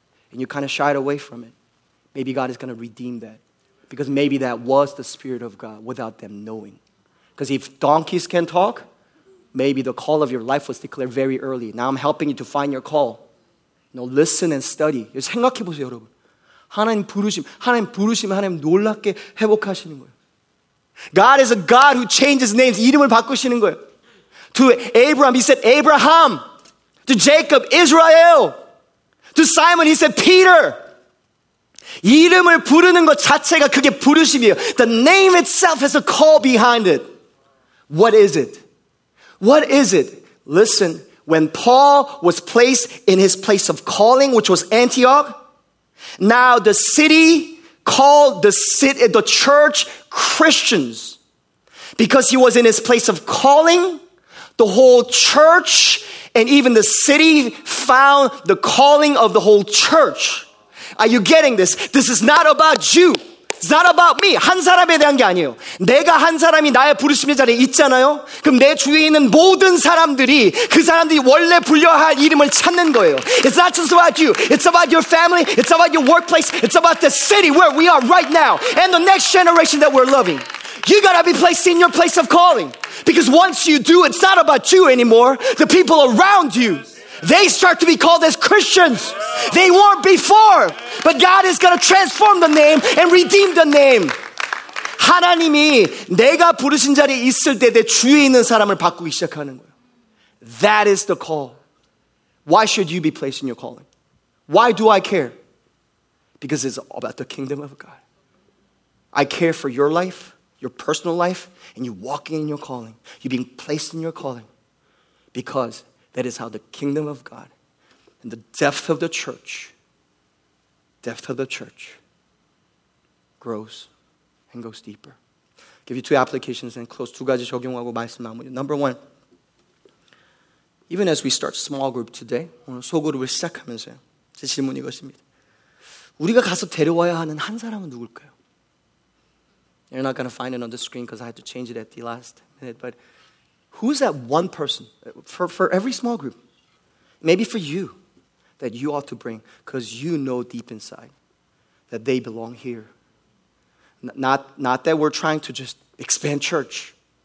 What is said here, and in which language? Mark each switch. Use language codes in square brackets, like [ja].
[en] And you kind of shied away from it. Maybe God is going to redeem that. Because maybe that was the Spirit of God without them knowing. Because if donkeys can talk, maybe the call of your life was declared very early. Now I'm helping you to find your call. No, listen and study. [ko] 생각해 보세요, 여러분. 하나님 부르심, 하나님 부르심, 하나님 놀랍게 회복하시는 거예요. [en] God is a God who changes names, [ko] 이름을 바꾸시는 거예요. [en] To Abraham, he said Abraham. To Jacob, Israel. To Simon, he said Peter. [ko] 이름을 부르는 것 자체가 그게 부르심이에요. [en] The name itself has a call behind it. What is it? What is it? Listen, when Paul was placed in his place of calling, which was Antioch, now the city called the church Christians. Because he was in his place of calling, the whole church and even the city found the calling of the whole church. Are you getting this? This is not about you. It's not about me. [ko] 한 사람에 대한 게 아니에요. 내가 한 사람이 나의 부르심의 자리에 있잖아요. 그럼 내 주위에 있는 모든 사람들이 그 사람들이 원래 불려할 이름을 찾는 거예요. [en] It's not just about you. It's about your family. It's about your workplace. It's about the city where we are right now and the next generation that we're loving. You gotta be placed in your place of calling. Because once you do, it's not about you anymore. The people around you, they start to be called as Christians. They weren't before. But God is going to transform the name and redeem the name. [ko] 하나님이 내가 부르신 자리에 있을 때 내 주위에 있는 사람을 바꾸기 시작하는 거예요. [en] That is the call. Why should you be placed in your calling? Why do I care? Because it's about the kingdom of God. I care for your life, your personal life, and you walking in your calling. You being placed in your calling. Because that is how the kingdom of God and the depth of the church grows and goes deeper. I'll give you two applications and close. [ko] 두 가지 적용하고 말씀 마무리. [en] Number one, even as we start small group today, [ko] 오늘 소그룹을 시작하면서요. 제 질문이 이것입니다. 우리가 가서 데려와야 하는 한 사람은 누굴까요? [en] You're not going to find it on the screen because I had to change it at the last minute, but who is that one person for every small group? Maybe for you that you ought to bring because you know deep inside that they belong here. Not that we're trying to just expand church.